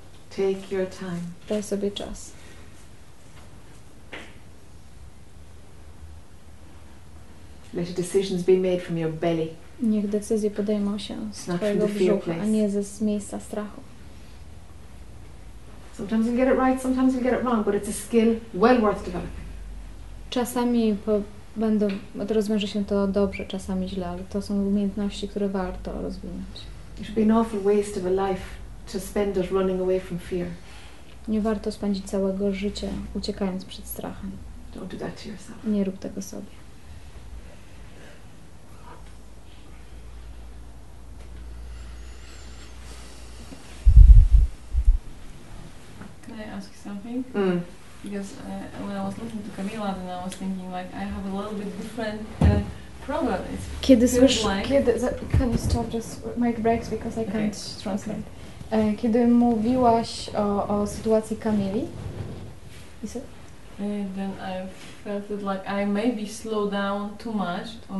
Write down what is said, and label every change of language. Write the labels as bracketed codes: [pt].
[en] Take your time. [pl] Daj sobie czas. [en] Let decisions be made from your belly. [pl] Niech decyzje podejmą się z twojego brzucha, a nie z miejsca strachu. [en] Sometimes you get it right, sometimes you get it wrong, but it's a skill well worth developing. [pl] Czasami rozwiąże się to dobrze, czasami źle, ale to są umiejętności, które warto rozwinąć. [en] It should be an awful waste of a life to spend it running away from fear. [pl] Nie warto spędzić całego życia uciekając przed strachem. [en] Don't do that to yourself. [pl] Nie rób tego sobie. [en] I ask you something? Because when I was listening to Camila, then I was thinking like I have a little bit different problem. It feels Can you stop? Just make breaks because I can't translate. Okay. [pl] Kiedy mówiłaś o sytuacji Kamili, [en] is it? Then I felt that like I maybe slow down too much.